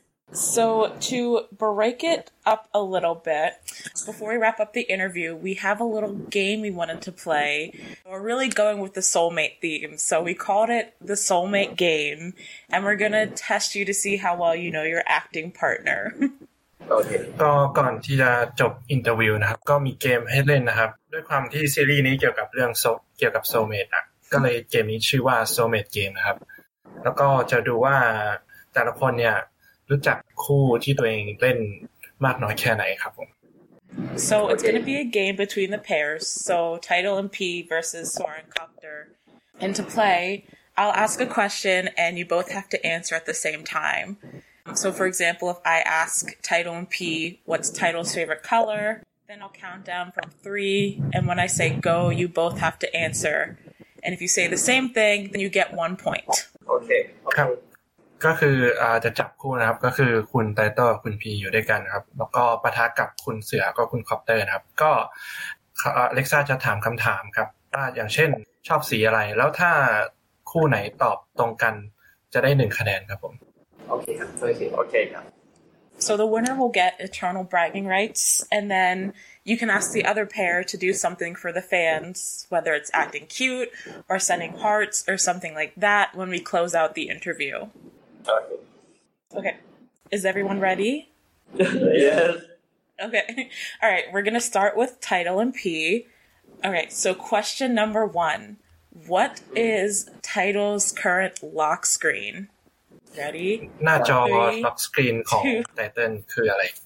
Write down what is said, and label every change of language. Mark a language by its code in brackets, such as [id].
[en] So to break it up a little bit, before we wrap up the interview, we have a little game we wanted to play. We're really going with the soulmate theme, so we called it the soulmate game, and we're going to test you to see how well you know your acting partner. Okay. [th] ก่อนที่จะจบอินเตอร์วิวนะครับก็มีเกมให้เล่นนะครับด้วยความที่ซีรีส์นี้เกี่ยวกับเรื่องเกี่ยวกับโซลเมทอ่ะก็เลยเกมนี้ชื่อว่า Soulmate Game นะครับแล้วก็จะดูว่าแต่ละคนเนี่ยรู้จักคู่ที่ตัวเองเล่นมากน้อยแค่ไหนครับผม [en] So it's going to be a game between the pairs. So Title and P versus Soren Copter. And to play, I'll ask a question and you both have to answer at the same time. So for example, if I ask Title and P what's Title's favorite color, then I'll count down from 3. And when I say go, you both have to answer. And if you say the same thing, then you get 1 point. Okay. [th] ก็คือจะจับคู่นะครับก็คือคุณไททอลคุณพีอยู่ด้วยกันครับแล้วก็ปะทะกับคุณเสือก็คุณคอปเตอร์นะครับก็เล็กซ่าจะถามคำถามครับว่าอย่างเช่นชอบสีอะไรแล้วถ้าคู่ไหนตอบตรงกันจะได้1คะแนนครับผม โอเคครับโอเคครับ [en] So the winner will get eternal bragging rights and then you can ask the other pair to do something for the fans whether it's acting cute or sending hearts or something like that when we close out the interviewOkay. Is everyone ready? Yes. Okay. All right. We're going to start with Title and P. All right. So question number 1. What is Title's current lock screen? Ready? [th] หน้าจอ lock screen ของ Title คืออะไร